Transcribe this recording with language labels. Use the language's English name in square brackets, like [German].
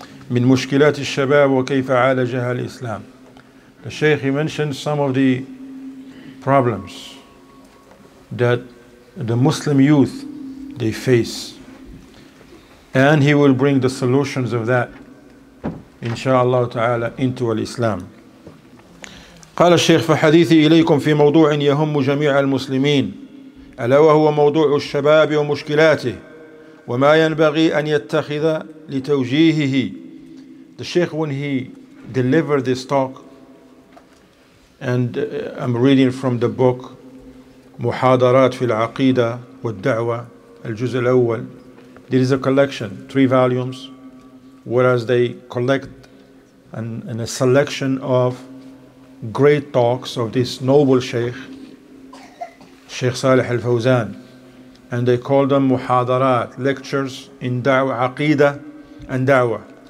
[Arabic] من مشكلات الشباب وكيف عالجها الإسلام. [English] The Shaykh, he mentioned some of the problems that the Muslim youth they face, and he will bring the solutions of that, inshallah ta'ala, into al-Islam. [Arabic] قال الشيخ فحديثي إليكم في موضوع يهم جميع المسلمين ألا وهو موضوع الشباب ومشكلاته وما ينبغي أن يتخذ لتوجيهه. [English] The Shaykh, when he delivered this talk, and I'm reading from the book Muhadarat fil Aqida wa Da'wa al-Juz al-Awwal, there is a collection, 3 volumes, whereas they collect and a selection of great talks of this noble Shaykh, Shaykh Salih al-Fawzan, and they call them Muhadarat, lectures in Da'wa, Aqida and Da'wa.